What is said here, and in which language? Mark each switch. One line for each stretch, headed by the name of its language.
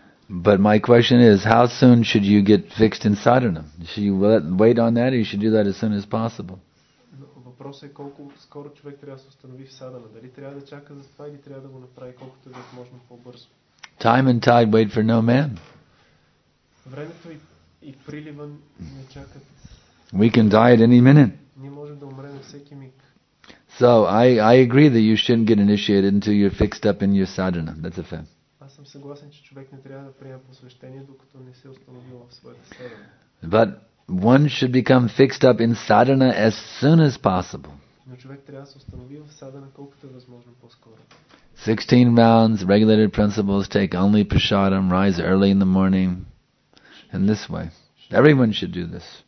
English: But my question is, how soon should you get fixed in sadhana? Should you wait on that, or you should do that as soon as possible?
Bulgarian: Въпросът е колко скоро човек трябва да се установи в садана. Дали трябва да чака за това или трябва да го направи колкото е възможно по-бързо.
English: Time and tide wait for no man.
Bulgarian: Времето и приливът не чакат.
English: We can die at any minute.
Bulgarian: Ние можем да умрем всеки миг.
English: So I agree that you shouldn't get initiated until you're fixed up in your sadhana. That's a fact.
Bulgarian: Аз съм съгласен, че човек не трябва да приема посвещение, докато не се установи в своята садана.
English: But one should become fixed up in sadhana as soon as possible. 16 rounds, regulated principles, take only prasadam, rise early in the morning, and this way. Everyone should do this.